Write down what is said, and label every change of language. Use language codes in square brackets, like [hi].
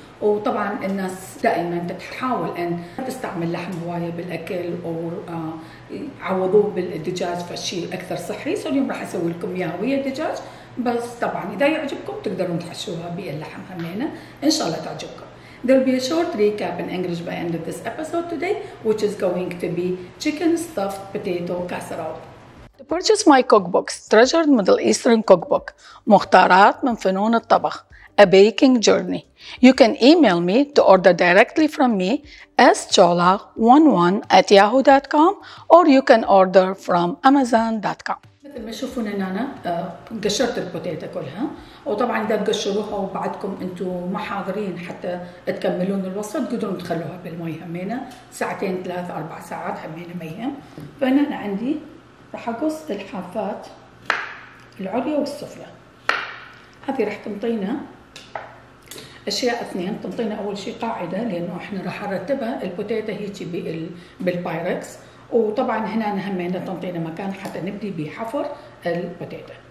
[ar] وطبعاً الناس دائماً تتحاول أن تستعمل لحم هواية بالأكل أو عوضوه بالدجاج فالشيء أكثر صحي، سو اليوم رح أسوي لكم إياها ويا الدجاج، بس طبعاً إذا يعجبكم تقدرون تحشوها باللحم همينة، إن شاء الله تعجبكم. [en] There'll be a short recap in English by end of this episode today, which is going to be chicken stuffed potato casserole. To purchase my cookbooks, Treasured Middle Eastern Cookbook, مختارات من فنون الطبخ, A Baking Journey, you can email me to order directly from me, schola11@yahoo.com, or you can order from amazon.com. [ar] مثل ما تشوفون ان انا قشرت البوتيتا كلها، وطبعا اذا تقشروها وبعدكم انتم ما حاضرين حتى تكملون الوصفه تقدرون تخلوها بالمي همينه ساعتين ثلاث اربع ساعات همينه ما يهم. فانا عندي راح اقص الحافات العليا والسفلى، هذه راح تنطينا اشياء اثنين، تنطينا اول شيء قاعده لانه احنا راح نرتبها البوتيتا هيجي بالبايركس، وطبعا هنا همينا تنطينا مكان حتى نبدي بحفر البوتيتا.